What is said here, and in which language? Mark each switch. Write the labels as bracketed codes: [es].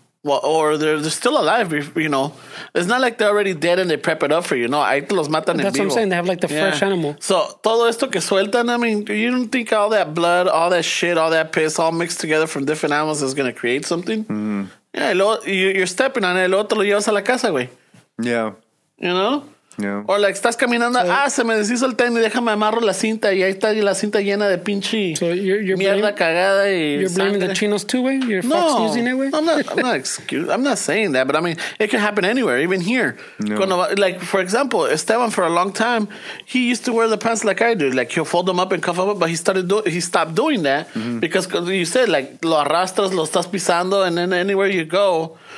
[en] Well, or they're still alive, you know. It's not like they're already dead and they prep it up for you. [es] No, ahí te los matan. [en] That's [es] en vivo. [en] What I'm saying. They have like the fresh animal. So, [es] todo esto que sueltan, [en] I mean, you don't think all that blood, all that shit, all that piss, all mixed together from different animals is going to create something? Mm. Yeah, you're stepping on it. [es] Luego te lo llevas a la casa, güey. [en] Yeah. You know? Yeah. Or like, [es] estás caminando. [en] So, [es] se me deshizo el tenis. Déjame amarro la cinta. Y ahí está la cinta llena de pinche mierda cagada. Y [en] you're blaming the chinos too, güey? Fox News anyway? I'm not saying that, but I mean, it can happen anywhere, even here. No. For example, Esteban, for a long time, he used to wear the pants like I do. Like, he'll fold them up and cuff them up, but he stopped doing that because you said, like, [es] lo arrastras, lo estás pisando, [en] and then anywhere you go.